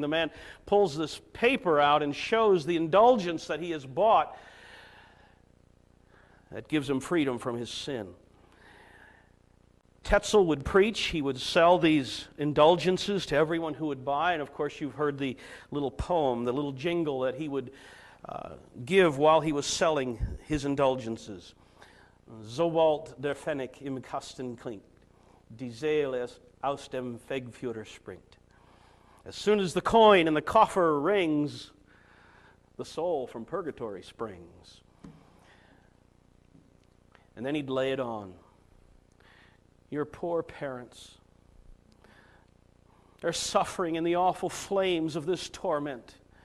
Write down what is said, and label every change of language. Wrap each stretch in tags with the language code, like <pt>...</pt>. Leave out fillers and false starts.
<en>The man pulls this paper out and shows the indulgence that he has bought that gives him freedom from his sin. Tetzel would preach. He would sell these indulgences to everyone who would buy, and of course you've heard the little poem, the little jingle that he would give while he was selling his indulgences.</en> <de>Sobald der Pfennig im Kasten klingt, die Seele aus dem Fegfeuer springt.</de> <en>As soon as the coin in the coffer rings, the soul from purgatory springs. And then he'd lay it on. Your poor parents, they're suffering in the awful flames of this torment.</en>